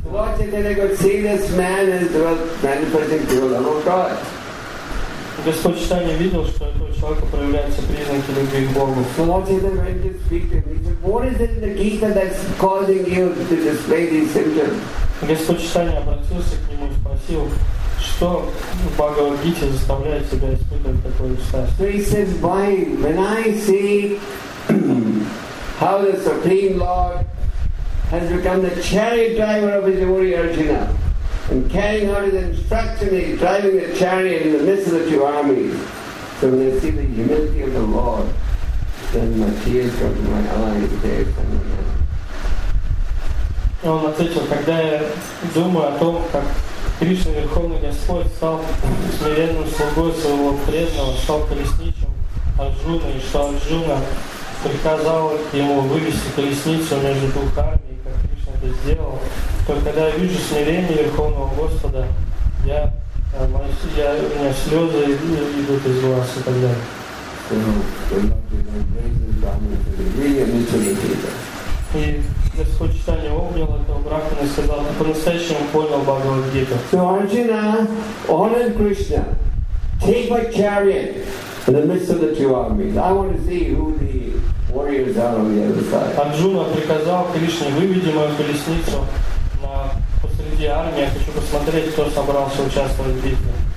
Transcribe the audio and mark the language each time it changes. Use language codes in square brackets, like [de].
[en] Lord Chaitanya could see this man is manifesting pure love of God. [ru] Господь Читания видел, что у этого человека проявляются признаки любви к Богу. [en] So Lord Chaitanya went to speak to him. He said, what is it in the Gita that's causing you to display these symptoms? [ru] Господь Читания обратился к нему и спросил, что в Бхагавад-гите заставляет себя испытывать такое счастье. [en] So he says, when I see how the Supreme Lord has become the chariot driver of his devotee Arjuna, and carrying out his instruction, he's driving a chariot in the midst of the two armies. So when I see the humility of the Lord, then my tears come to my eyes, they come to my eyes. [ru] И он ответил, когда я думаю о том, как Кришна Верховный Господь стал смиренным слугой своего преданного, стал колесничим Арджуны, и что Арджуна приказал ему вывести колесницу между двух армий, как Кришна это сделал, то когда я вижу смирение Верховного Господа, у меня слезы идут из глаз и так далее. И Господь Читания обнял этого брахмана и сказал, ты по-настоящему понял Бхагавад-гиту. [en] So Arjuna honored Krishna. Take my chariot in the midst of the two armies. I want to see who the warriors are on the other side. [ru] Арджуна приказал Кришне, выведи мою колесницу на посреди армии. Я хочу посмотреть, кто собрался участвовать в битве.